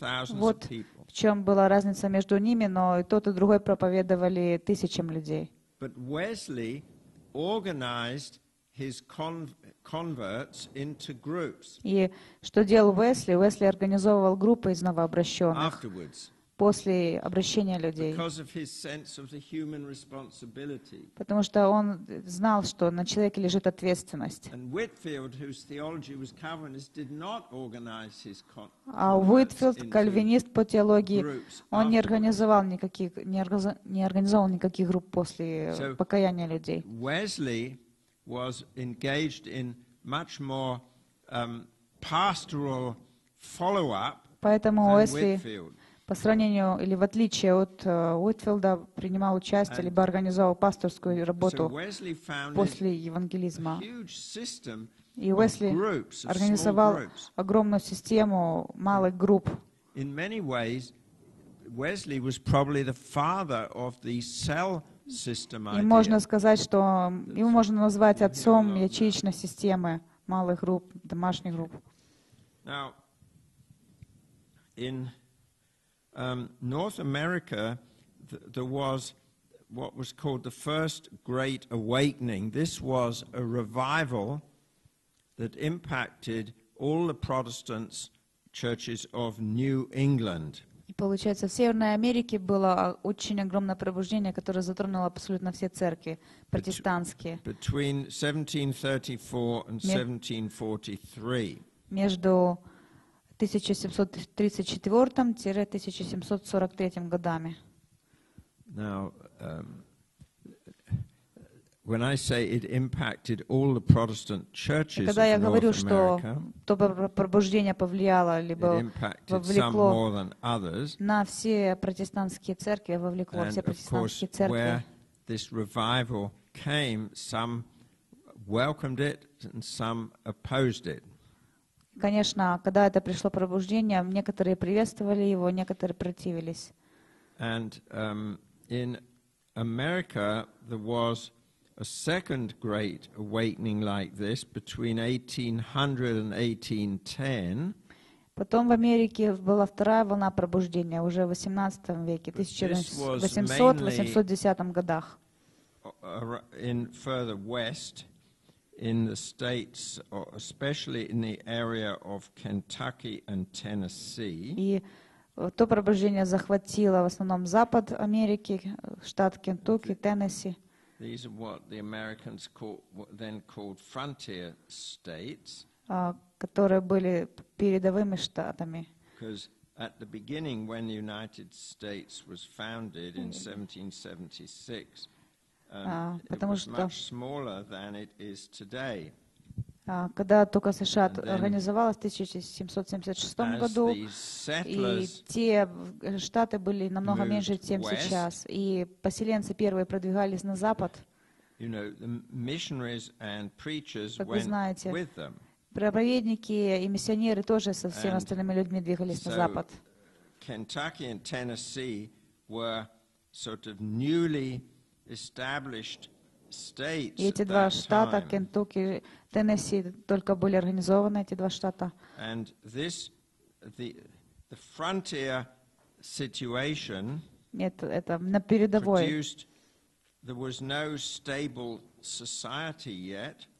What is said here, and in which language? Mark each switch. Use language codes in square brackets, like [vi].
[ru] Вот в чем была разница между ними, но и тот, и другой проповедовали тысячам людей. [en] But Wesley organized his converts into groups. [ru] И что делал Уэсли? Уэсли организовывал группы из новообращенных после обращения людей. [en] Because of his sense of the human responsibility. [ru] Потому что он знал, что на человеке лежит ответственность. [en] And Whitfield, whose theology was Calvinist, did not organize his converts into groups. [ru] А Уитфилд, кальвинист по теологии, он не организовал никаких групп после покаяния людей. [en] Wesley was engaged in much more pastoral follow-up than Whitfield. [ru] По сравнению или в отличие от Уитфилда, принимал участие либо организовал пасторскую работу после евангелизма. И Уэсли организовал огромную систему малых групп. [en] In many ways, Wesley was probably the father of the cell system idea. [ru] И можно сказать, что его можно назвать отцом ячеечной системы малых групп, домашних групп. [en] Now, in North America, there was what was called the first great awakening. This was a revival that impacted all the Protestant churches of New England. [ru] И получается, в Северной Америке было очень огромное пробуждение, которое затронуло абсолютно все церкви протестантские. [en] Between 1734 and 1743. [ru] Между 1734-1743 годами. [en] Now, when I say it impacted all the Protestant churches, [ru] когда я говорю, [en] North America, [ru] что то пробуждение повлияло либо вовлекло [en] some more than others, [ru] на все протестантские церкви, вовлекло все протестантские церкви. [en] Where this revival came, some welcomed it and some opposed it. [ru] Конечно, когда это пришло пробуждение, некоторые приветствовали его, некоторые противились. [en] And in America there was a second great awakening like this between 1800 and 1810. [ru] Потом в Америке была вторая волна пробуждения уже в 18 веке, 1800-1810 годах. [en] In further west. In the states, especially in the area of Kentucky and Tennessee. [ru] И то пробуждение захватило в основном Запад Америки, штат Кентукки, Теннесси. [en] These are what the Americans called frontier states. [ru] Которые были передовыми штатами. [en] Because at the beginning, when the United States was founded in 1776. [ru] Потому что [en] much smaller than it is today. [ru] Когда только США организовалась в 1776 году, и те штаты были намного меньше, чем сейчас, и поселенцы первые продвигались на запад, [en] you know, the missionaries and preachers [ru] как вы знаете, [en] went with them. [ru] Проповедники и миссионеры тоже со всеми остальными людьми двигались [en] so [ru] на запад. [en] Kentucky and Tennessee were sort of newly established states. [ru] И эти два штата, Кентукки, Теннесси, только были организованы эти два штата. [en] And this, the frontier situation [ru] это на передовой [en] produced There was no stable society yet.